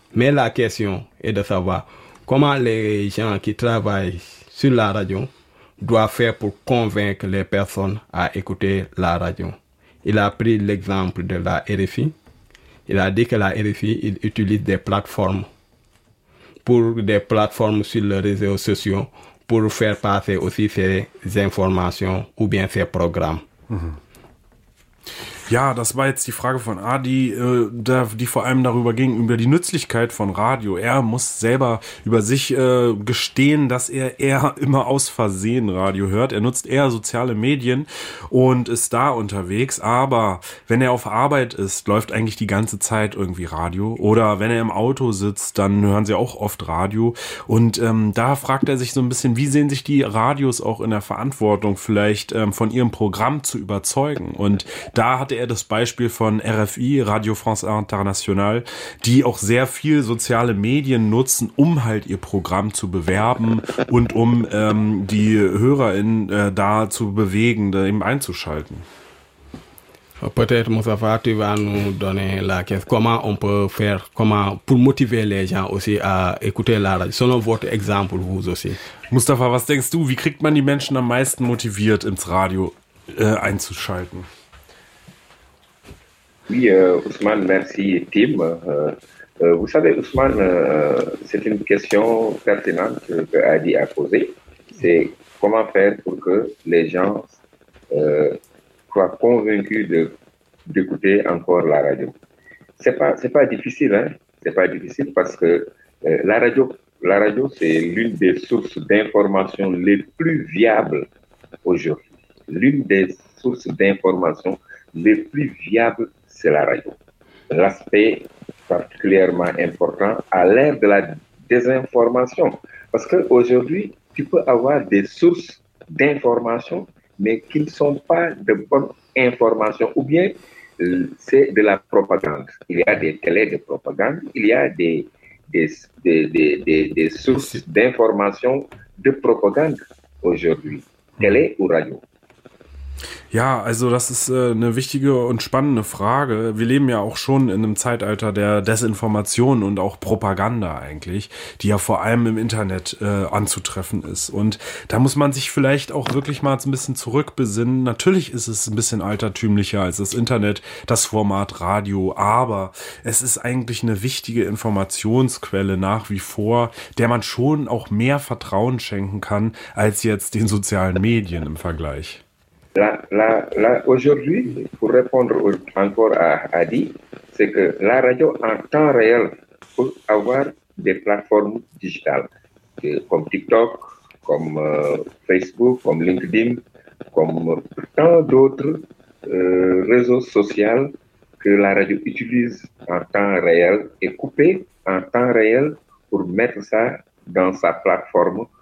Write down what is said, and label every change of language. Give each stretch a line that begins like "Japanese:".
French: Mais la question est de savoir comment les gens qui travaillent sur la radio doivent faire pour convaincre les personnes à écouter la radio. Il a pris l'exemple de la RFI. Il a dit que la RFI utilise des plateformes sur les réseaux sociaux pour faire passer aussi ses informations ou bien ses programmes.
German: Ja, das war jetzt die Frage von Adi, die vor allem darüber ging, über die Nützlichkeit von Radio. Er muss selber über sich gestehen, dass er eher immer aus Versehen Radio hört. Er nutzt eher soziale Medien und ist da unterwegs. Aber wenn er auf Arbeit ist, läuft eigentlich die ganze Zeit irgendwie Radio. Oder wenn er im Auto sitzt, dann hören sie auch oft Radio. Und da fragt er sich so ein bisschen, wie sehen sich die Radios auch in der Verantwortung, vielleicht von ihrem Programm zu überzeugen. Und da hatte er das Beispiel von RFI, Radio France Internationale, die auch sehr viel soziale Medien nutzen, um halt ihr Programm zu bewerben und um die HörerInnen da zu bewegen, da eben einzuschalten.
French: Peut-être, Moustapha, tu vas nous donner la question. Comment on peut faire, comment, pour motiver les gens aussi à écouter la radio, selon votre exemple, vous aussi.
German: Moustapha, was denkst du, wie kriegt man die Menschen am meisten motiviert, ins Radio einzuschalten?
French: Oui, Ousmane, merci, Tim. Vous savez, Ousmane, c'est une question pertinente que Adi a posée. C'est comment faire pour que les gens soient convaincus d'écouter encore la radio. C'est pas difficile, hein? C'est pas difficile parce que la radio, c'est l'une des sources d'information les plus viables aujourd'hui. L'une des sources d'information les plus viables. C'est la radio. L'aspect particulièrement important à l'ère de la désinformation. Parce qu'aujourd'hui, tu peux avoir des sources d'information, mais qui ne sont pas de bonnes informations. Ou bien, c'est de la propagande. Il y a des télés de propagande, il y a des sources d'information de propagande aujourd'hui. Télé ou radio?
German: Ja, also das ist eine wichtige und spannende Frage. Wir leben ja auch schon in einem Zeitalter der Desinformation und auch Propaganda eigentlich, die ja vor allem im Internet anzutreffen ist. Und da muss man sich vielleicht auch wirklich mal ein bisschen zurückbesinnen. Natürlich ist es ein bisschen altertümlicher als das Internet, das Format Radio. Aber es ist eigentlich eine wichtige Informationsquelle nach wie vor, der man schon auch mehr Vertrauen schenken kann als jetzt den sozialen Medien im Vergleich.
French: Là, aujourd'hui, pour répondre encore à Adi, c'est que la radio en temps réel peut avoir des plateformes digitales, comme TikTok, comme Facebook, comme LinkedIn, comme tant d'autres réseaux sociaux que la radio utilise en temps réel et coupé en temps réel pour mettre ça dans sa plateforme.